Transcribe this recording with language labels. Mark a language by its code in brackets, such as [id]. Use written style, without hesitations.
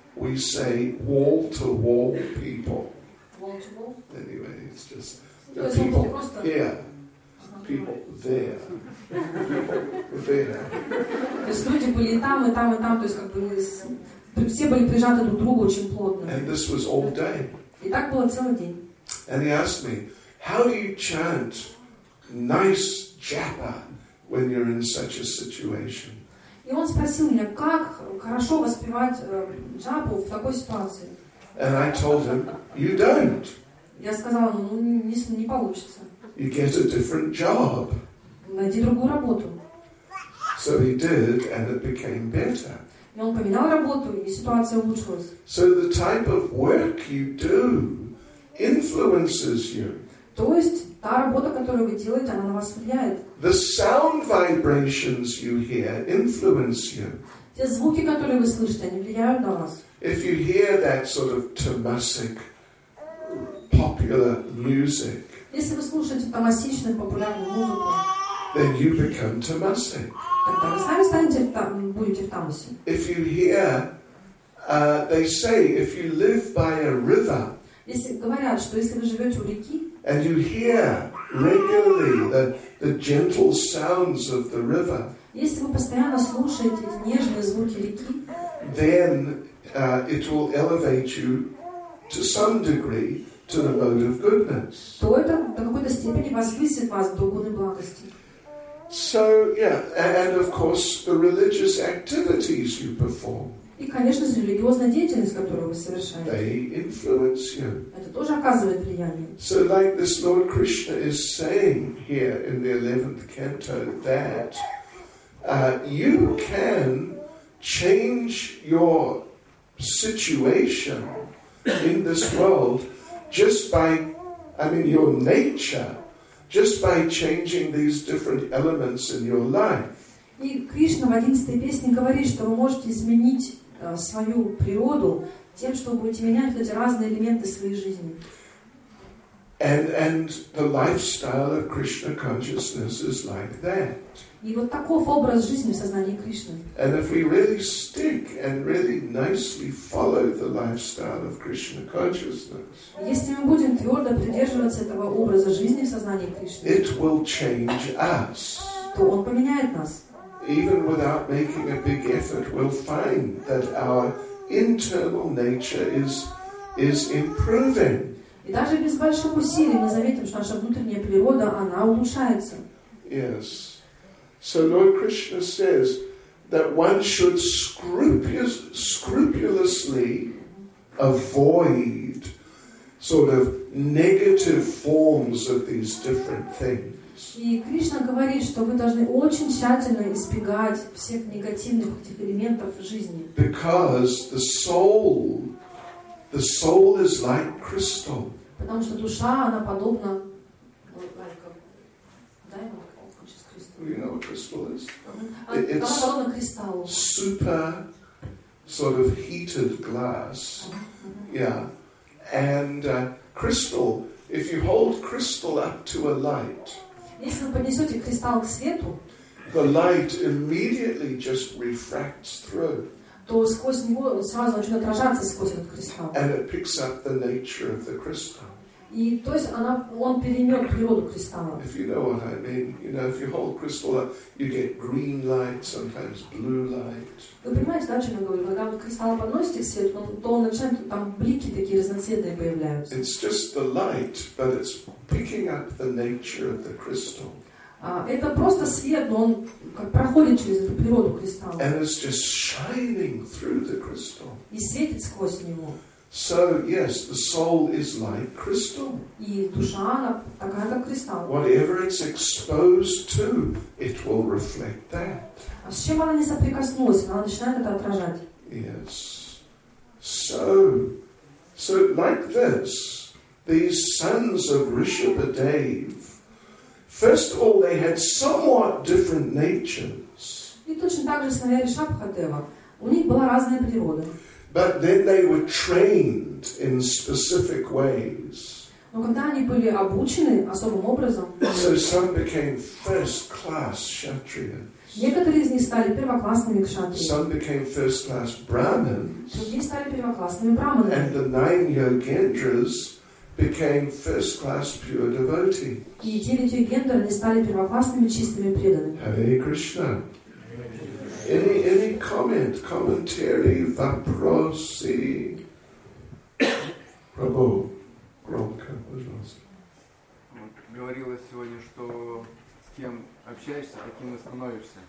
[en] We say wall to wall people. Wall to wall. Anyway, it's just the people here. People there. [ru] То есть люди были там, и там, и там. То есть как бы все были прижаты друг к другу очень плотно. [en] And this was all day. [ru] И так было целый день. [en] And he asked me, how do you chant nice japa when you're in such a situation? [ru] И он спросил меня, как хорошо воспевать джапу в такой ситуации. [en] And I told him, you don't. [ru] Я сказал ему, ну не получится. [en] You get a different job. [ru] Найди другую работу. [en] So he did, and it became better. [ru] И он поменял работу, и ситуация улучшилась. [en] So the type of work you do influences you. [ru] То есть та работа, которую вы делаете, она на вас влияет. [en] The sound vibrations you hear influence you. [ru] Те звуки, которые вы слышите, они влияют на вас. [en] If you hear that sort of Tomasic popular music, [ru] если вы слушаете Томасичную популярную музыку, [en] then you become Tomasic. [ru] Тогда вы сами станете будете в Томасе. [en] If you hear, they say, if you live by a river, [ru] если говорят, что если вы живете у реки, [en] and you hear regularly the gentle sounds of the river, [ru] если вы постоянно слушаете нежные звуки реки, [en] then it will elevate you to some degree to the mode of goodness. [ru] То это до какой-то степени возвысит вас до гуны благости. [en] So yeah, and of course the religious activities you perform. [ru] И, конечно, религиозная деятельность, которую вы совершаете. [en] They influence you. [ru] Это тоже оказывает влияние. [en] So like this Lord Krishna is saying here in the 11th canto that you can change your situation in this world just by, I mean, your nature, just by changing these different elements in your life. [ru] И Кришна в 11-й песне говорит, что вы можете изменить свою природу тем, что вы будете менять эти разные элементы своей жизни. [en] And the lifestyle of Krishna consciousness is like that. [ru] И вот таков образ жизни в сознании Кришны. [en] And if we really stick and really nicely follow the lifestyle of Krishna consciousness, [ru] если мы будем твердо придерживаться этого образа жизни в сознании Кришны, [en] it will change us. [ru] То он поменяет нас. [en] Even without making a big effort, we'll find that our internal nature is improving. [ru] И даже без больших усилий мы заметим, что наша внутренняя природа, она улучшается. [en] Yes. So Lord Krishna says that one should scrupulously avoid sort of negative forms of these different things. [ru] И Кришна говорит, что вы должны очень тщательно избегать всех негативных этих элементов жизни. [en] Because the soul is like crystal. [ru] Потому что душа, она подобна, подобна кристаллу. [en] Super sort of heated glass. Yeah. And crystal, if you hold crystal up to a light, [ru] если вы поднесете кристалл к свету, [en] the light immediately just refracts through. [ru] То сквозь него сразу начнет отражаться сквозь этот кристалл. [en] And it picks up the nature of the crystal. [ru] И то есть он перенёт природу кристалла. [en] If you know what I mean, you know, if you hold crystal up, you get green light, sometimes blue light. [ru] Вы понимаете, да, о чём я говорю? Когда вы кристалл подносите к свету, то он начинает там блики такие разноцветные появляются. [en] It's just the light, but it's picking up the nature of the crystal. [ru] Это просто свет, но он как проходит через эту природу кристалла. [en] And it's just shining through the crystal. [ru] И светит сквозь него. [en] So yes, the soul is like crystal. [ru] И душа, она такая, как кристалл. [en] Whatever it's exposed to, it will reflect that. [ru] А с чем она не соприкоснулась, она начинает это отражать. [en] Yes. So like this, these sons of Rishabhadev, first of all, they had somewhat different natures. [ru] И точно так же сыновья Ришабхадева. У них была разная природа. [en] But then they were trained in specific ways. [ru] Но когда они были обучены особым образом, [en] so some became first-class kshatriyas. [ru] Некоторые из них стали первоклассными кшатриями. [en] Some became first-class brahmins. [ru] Другие стали первоклассными брахманами. [en] And the nine yogendras became first-class pure devotees. [ru] И девять йогендр они стали первоклассными чистыми преданными. [en] Hare Krishna. Any comment, commentary, [ru] vaprosi, [en] Prabhu, [ru] громко, пожалуйста. Вот говорилось сегодня, что с кем общаешься, таким и становишься.